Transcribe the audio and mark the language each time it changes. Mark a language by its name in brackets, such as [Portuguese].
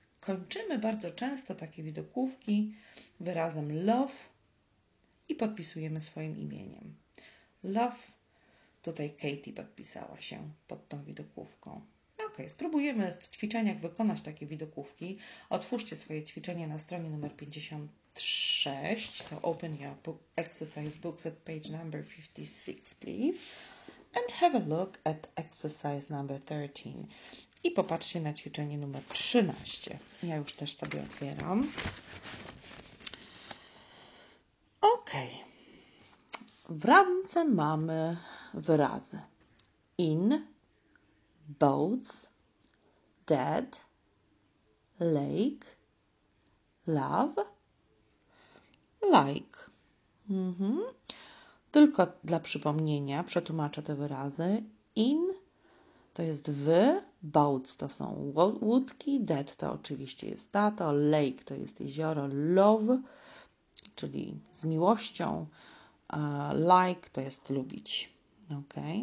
[Polish] Kończymy bardzo często takie widokówki wyrazem love i podpisujemy swoim imieniem. Love, tutaj Katie podpisała się pod tą widokówką. Ok, spróbujemy w ćwiczeniach wykonać takie widokówki. Otwórzcie swoje ćwiczenie na stronie numer 56. [English] So open your exercise books at page number 56, please. And have a look at exercise number 13. [Polish] I popatrzcie na ćwiczenie numer 13. Ja już też sobie otwieram. Ok. W ramce mamy wyrazy. [English] In, boats, dead, lake, love, like. [Polish] Tylko dla przypomnienia przetłumaczę te wyrazy. In to jest w, boats to są łódki, dead to oczywiście jest tato, lake to jest jezioro, love, czyli z miłością, like to jest lubić. Ok.